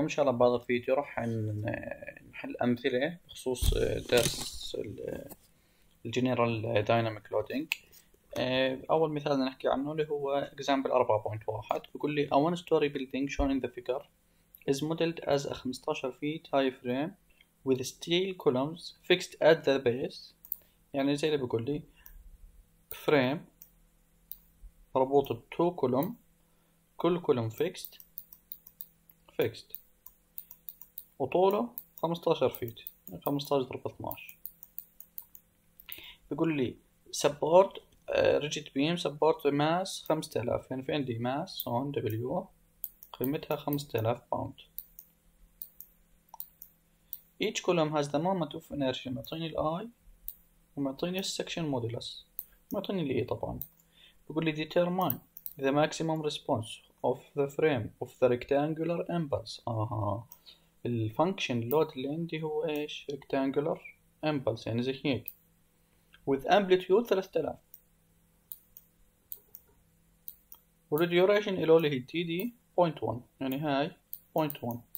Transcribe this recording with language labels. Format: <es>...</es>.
<ar>إن شاء الله بهذا الفيديو راح نحل أمثلة بخصوص درس الجنرال دايناميك لودينج. أول مثال بدنا نحكي عنه اللي هو example 4.1، بيقول لي</ar> <en>a one story building shown in the figure is modeled as a 15 feet high frame with steel columns fixed at the base.</en> <ar>يعني زي اللي بيقول لي frame مربوط ب 2 column، كل column fixed وطوله 15 فيت، 15 ضرب 12. بيقول لي</ar> <en>support rigid beam support mass 5000،</en> <ar>يعني في عندي</ar> <en>Mass هون W قيمتها 5000 pound. each column has the moment of inertia، معطيني الاي ومعطيني السكشن مودولس، معطيني الاي طبعا.</en> <ar>بيقول لي</ar> <en>determine the maximum response of the frame of the rectangular impulse.</en> <ar>اها الفانكشن لود اللي عندي هو ايش؟ rectangular impulse، يعني زي هيك</ar> <en>with amplitude 3000</en> <ar>وال duration اللي هو اللي هي تي دي 0.1، يعني هاي 0.1.</ar>